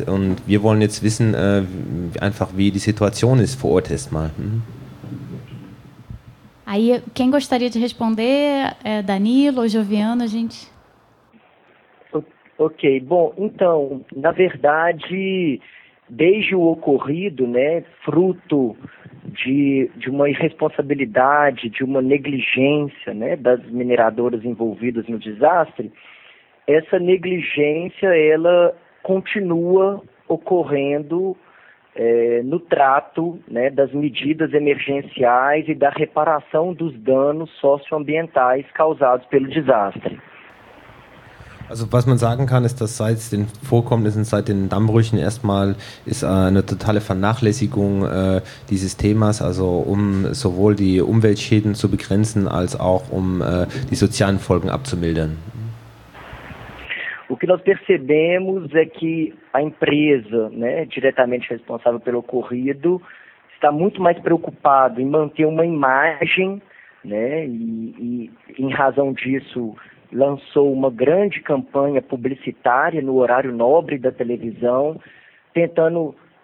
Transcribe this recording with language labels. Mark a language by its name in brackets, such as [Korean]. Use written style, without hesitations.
[German] Und wir wollen jetzt wissen, einfach wie die Situation ist vor Ort erstmal. Hm? [Portuguese] Aí, quem gostaria de responder? É Danilo ou Joviano, gente? Ok, bom, então, na verdade, desde o ocorrido, né, fruto de uma irresponsabilidade, de uma negligência, né, das mineradoras envolvidas no desastre, essa negligência, ela continua ocorrendo no trato, né, das medidas emergenciais e da reparação dos danos socioambientais causados pelo desastre. [German] Also was man sagen kann, ist, dass seit den Vorkommnissen, seit den Dammbrüchen erstmal ist eine totale Vernachlässigung dieses Themas, also um sowohl die Umweltschäden zu begrenzen, als auch um die sozialen Folgen abzumildern. [Portuguese] O que nós percebemos é que a empresa, né, diretamente responsável pelo ocorrido, está muito mais preocupada em manter uma imagem, né, e em razão disso lançou uma grande campanha publicitária no horário nobre da televisão, tentando